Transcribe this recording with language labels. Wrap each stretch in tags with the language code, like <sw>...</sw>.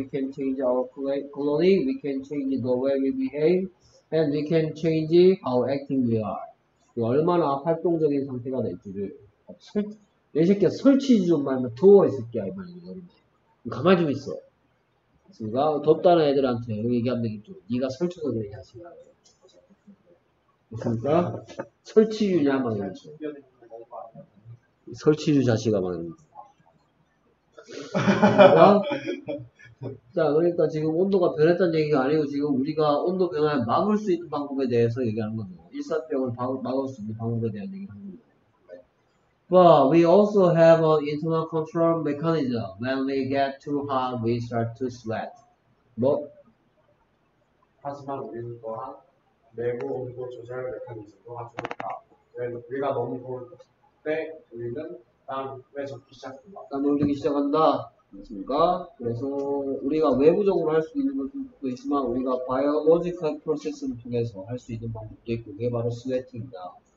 <en>We can change our clothing, we can change the way we behave, and we can change how active we are.</en> <ko>얼마나 활동적인 상태가 될지를 이 새끼야 설치지 좀 말면 더워 이 새끼야 이 말이야. 가만 좀 있어. 그니까, 덥다는 애들한테 얘기하면 되겠죠. 니가 설치도 되냐, 지금. 그니까, 설치주냐, 막 이러죠. 설치주 자식아, 막 이러죠. 그니까, 자, 그러니까 지금 온도가 변했다는 얘기가 아니고, 지금 우리가 온도 변화를 막을 수 있는 방법에 대해서 얘기하는 거죠. 일사병을 막을 수 있는 방법에 대한 얘기를 하는 거죠.</ko> <en>But we also have an internal control mechanism. When we get too hot, we start to sweat.</en> <ko>뭐? 하지만 우리는 또한 내부 온도 조절 메커니즘도 아주 좋다. 우리가 너무 더울 때 우리는 땀에 젖기 시작한다. 땀을 흘리기 시작한다. 맞습니까? 그래서 우리가 외부적으로 할 수 있는 것도 있지만 우리가 바이오로지컬 프로세스를 통해서 할 수 있는 방법도 있고 그게 바로 스웨팅이다.</ko>